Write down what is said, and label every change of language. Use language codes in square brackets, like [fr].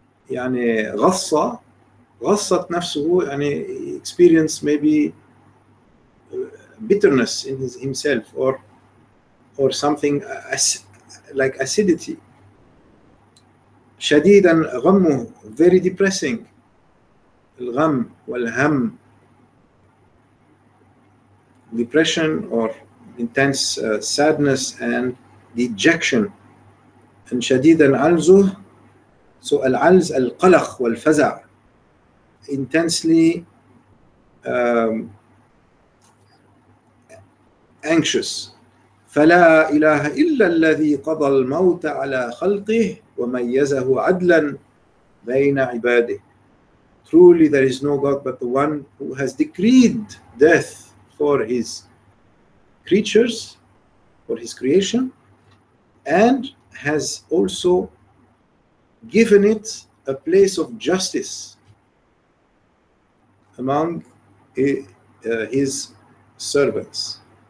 [en] يعني [ar] غصة, غصت نفسه, [en] يعني experience maybe bitterness in himself or something like acidity. [ar] شديدا غمه, [en] very depressing. [ar] الغم والهم, [en] depression or intense sadness and dejection. And شديد العلزه, so [ar] العلز القلق والفزع, [en] intensely anxious. [ar] فلا إله إلا الذي قضى الموت على خلقه وميزه عدلا بين عباده. [en] Truly there is no God but the one who has decreed death for his creatures, for his creation, and has also given it a place of justice among his servants.